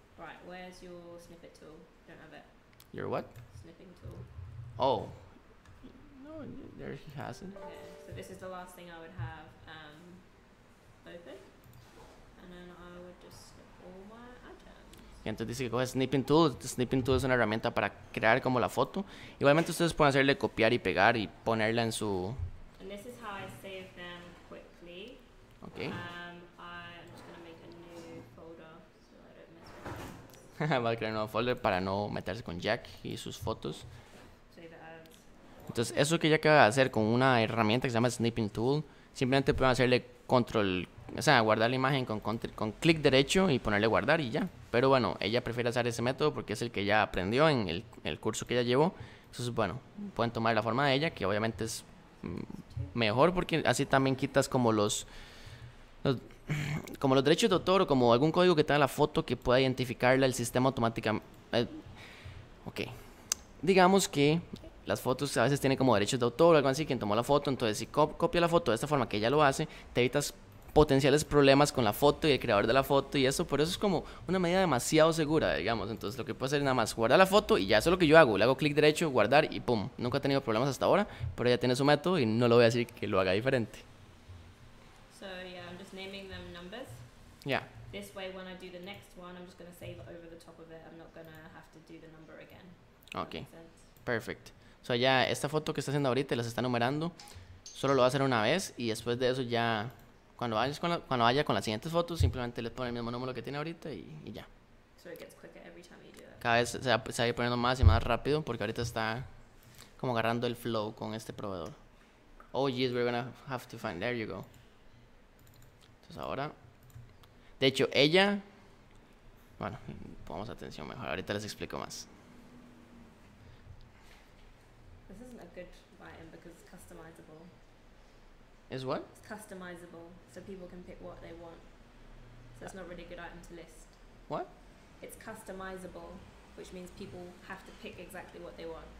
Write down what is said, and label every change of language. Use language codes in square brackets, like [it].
[en] Right, where's your snippet tool? You don't have it. Your what? Snipping tool. Oh. There he has it. Okay. So this is the last thing I would have open. And then I would just snip all my items. [es] Y entonces dice que coge snipping tool. The snipping tool es una herramienta para crear como la foto. Igualmente ustedes pueden hacerle copiar y pegar y ponerla en su... [en] And this is how I save them quickly. Okay. I'm just going to make a new folder so I don't mess with [es] them. Va a crear un nuevo folder para no meterse con Jack y sus fotos. Entonces, eso que ya acaba de hacer con una herramienta que se llama Snipping Tool, simplemente pueden hacerle control, o sea, guardar la imagen con clic derecho y ponerle guardar y ya. Pero bueno, ella prefiere usar ese método porque es el que ya aprendió en el curso que ella llevó. Entonces, bueno, pueden tomar la forma de ella, que obviamente es mejor porque así también quitas como los derechos de autor o como algún código que tenga la foto que pueda identificarla el sistema automáticamente. Ok. Digamos que... Las fotos a veces tienen como derechos de autor o algo así, quien tomó la foto, entonces si copia la foto de esta forma que ella lo hace, te evitas potenciales problemas con la foto y el creador de la foto y eso, por eso es como una medida demasiado segura, digamos. Entonces lo que puedo hacer es nada más guardar la foto y ya, eso es lo que yo hago, le hago clic derecho, guardar y pum, nunca he tenido problemas hasta ahora, pero ya tiene su método y no lo voy a decir que lo haga diferente. [en] So yeah, I'm just naming them numbers. Yeah. This way when I do the next one, I'm just going to save it over the top of it. I'm not going to have to do the number again. Okay. Perfect. [es] So ya esta foto que está haciendo ahorita, las está numerando, solo lo va a hacer una vez y después de eso ya cuando vaya con las siguientes fotos, simplemente le pone el mismo número que tiene ahorita y ya. [en] So it gets quicker every time you do it. [es] Cada vez se va a ir poniendo más y más rápido porque ahorita está como agarrando el flow con este proveedor. [en] Oh jeez, we're going to have to find. There you go. [es] Entonces ahora, de hecho, ella, bueno, pongamos atención mejor, ahorita les explico más. [en] This isn't a good button because it's customizable. Is what? It's customizable, so people can pick what they want. So it's not really a good item to list. What? It's customizable, which means people have to pick exactly what they want.